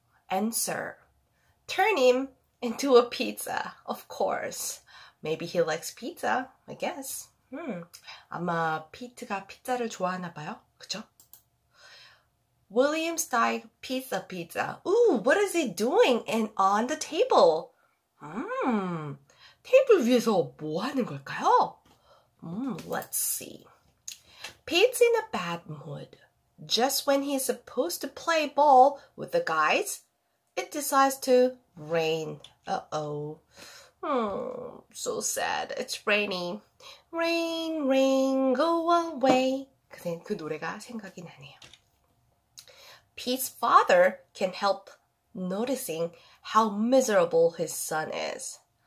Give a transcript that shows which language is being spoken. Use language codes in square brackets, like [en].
[en] Answer. Turn him into a pizza, of course. Maybe he likes pizza, I guess. [ko] 아마 Pete가 피자를 좋아하나 봐요. 그쵸? [en] William Steig Pizza Pizza. Ooh, what is he doing and on the table? [ko] 테이블 위에서 뭐 하는 걸까요? [en] Let's see. Pete's in a bad mood. Just when he's supposed to play ball with the guys, it decides to rain. So sad. It's raining. Rain, rain, go away. [ko] 그 노래가 생각이 나네요. [en] Pete's father can help noticing how miserable his son is.